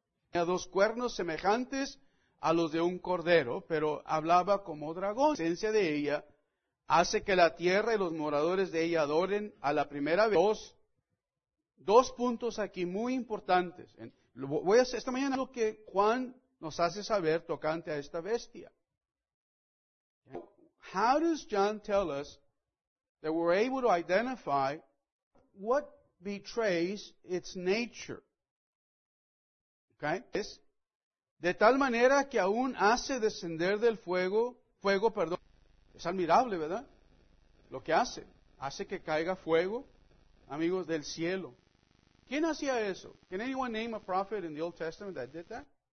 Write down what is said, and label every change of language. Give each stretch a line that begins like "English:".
Spanish: Tenía dos cuernos semejantes a los de un cordero, pero hablaba como dragón. La presencia de ella hace que la tierra y los moradores de ella adoren a la primera vez. Dos puntos aquí muy importantes. Voy a hacer esta mañana lo que Juan nos hace saber tocante a esta bestia.
English: How does John tell us that we're able to identify what betrays its nature? Okay?
Spanish: Es de tal manera que aún hace descender del fuego. Es admirable, ¿verdad? Lo que hace que caiga fuego, amigos, del cielo. ¿Quién hacía eso?
English: Can anyone name a prophet in the Old Testament that did that?